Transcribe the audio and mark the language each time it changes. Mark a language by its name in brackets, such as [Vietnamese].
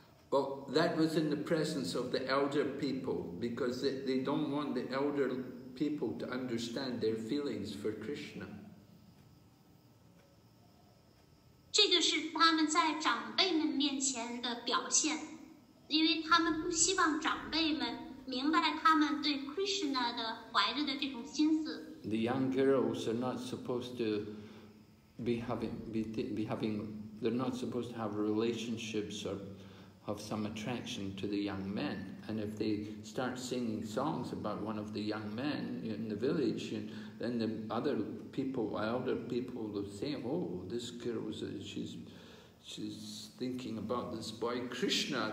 [English] Well, that was in the presence of the elder people because they don't want the elder people to understand their feelings for Krishna. [Chinese] 这个是他们在长辈们面前的表现因为他们不希望长辈们明白他们对 Krishna 的怀着的这种心思。 [English] The young girls are not supposed to be having, they're not supposed to have relationships or have some attraction to the young men. And if they start singing songs about one of the young men in the village, then the other people, elder people, will say, oh, this girl, she's thinking about this boy Krishna.